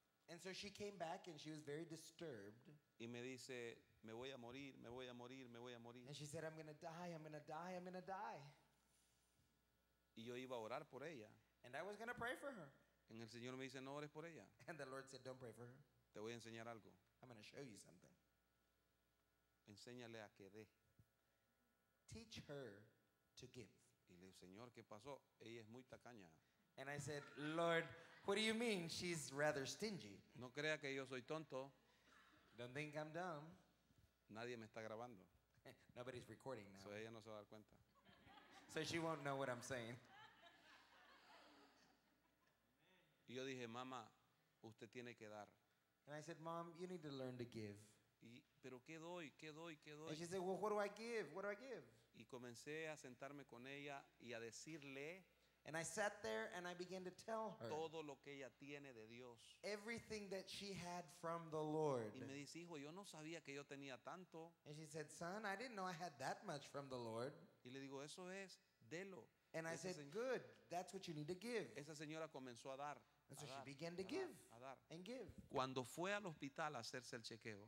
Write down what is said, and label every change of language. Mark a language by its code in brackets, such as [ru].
[en] And so she came back and she was very disturbed. [es] Y me dice, me voy a morir, me voy a morir, me voy a morir. [en] And she said, I'm going to die, I'm going to die, I'm going to die. [es] Y yo iba a orar por ella. [en] And I was going to pray for her. [es] Y el Señor me dice, no ores por ella. [en] And the Lord said, don't pray for her. [es] Te voy a enseñar algo. [en] I'm going to show you something. [es] Enséñale a que dé. [en] Teach her to give. [es] Y le dije, Señor, ¿qué pasó? Ella es muy tacaña. [en] And I said, Lord, what do you mean? She's rather stingy. [es] No crea que yo soy tonto. [en] Don't think I'm dumb. [es] Nadie me está grabando. [en] Nobody's recording now. [es] So ella no se va a dar cuenta. [en] So she won't know what I'm saying. [es] Y yo dije, mamá, usted tiene que dar. [en] And I said, Mom, you need to learn to give. [es] Pero qué doy, qué doy, qué doy. [en] And she said, well, what do I give? What do I give? [es] Y comencé a sentarme con ella y a decirle. [en] And I sat there and I began to tell her. [es] Todo lo que ella tiene de Dios. [en] Everything that she had from the Lord. [es] Y me dice, hijo, yo no sabía que yo tenía tanto. [en] And she said, son, I didn't know I had that much from the Lord. [es] Y le digo, eso es, délo. [en] And I said, good, that's what you need to give. [es] Esa señora comenzó a dar. [en] And so [es] dar, [en] she began to [es] dar, [en] give [es] dar. [en] And give. [es] Cuando fue al hospital a hacerse el chequeo,